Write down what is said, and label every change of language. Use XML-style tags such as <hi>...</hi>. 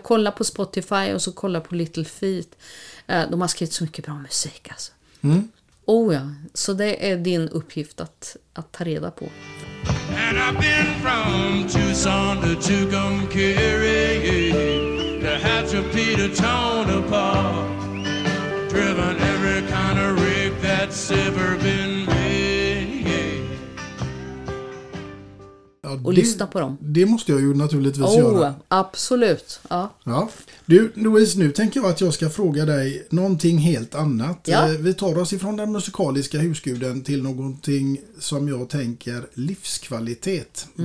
<sv>Kolla på Spotify och så kolla på Little Feat. De har skrivit så mycket bra musik alltså. Mm. Oh ja, så det är din uppgift att ta reda på.</sv> <en>And I've been from Tucson to Tucumcari, to have to Peter Tone apart, driven every kind of rig that's ever been.</en> <sv>Och lyssna på dem. Det måste jag ju naturligtvis göra. Absolut. Ja. Ja. Du, Louise, nu tänker jag att jag ska fråga dig någonting helt annat. Ja. Vi tar oss ifrån den musikaliska husguden till någonting som jag tänker livskvalitet. Mm-hmm.</sv>